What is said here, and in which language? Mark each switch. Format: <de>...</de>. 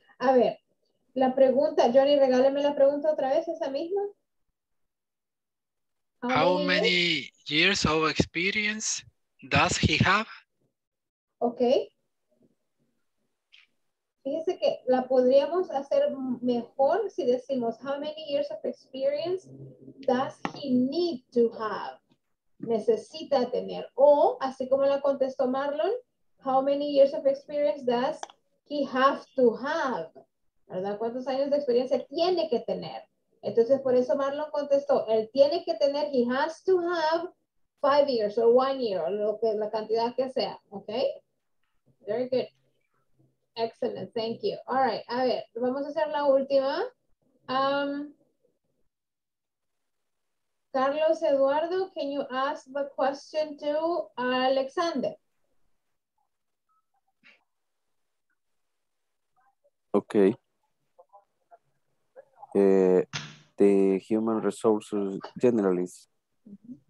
<es>A ver, la pregunta, Johnny, regáleme la pregunta otra vez, esa misma.</es> <en>How many years of experience does he have? Okay.</en> <es>Fíjese que la podríamos hacer mejor si decimos</es> <en>how many years of experience does he need to have?</en> <es>Necesita tener. O, así como la contestó Marlon,</es> <en>how many years of experience does he have to have?</en> <es>¿Verdad? ¿Cuántos años de experiencia tiene que tener? Entonces, por eso Marlon contestó, él tiene que tener,</es> <en>he has to have 5 years or 1 year,</en> <es>lo que, la cantidad que sea,</es> <en>okay? Very good. Excellent, thank you. All right,</en> <es>a ver, vamos a hacer la última.</es> <en>Carlos Eduardo, can you ask the question to Alexander? Okay. The human resources generalist. Mm-hmm.</en>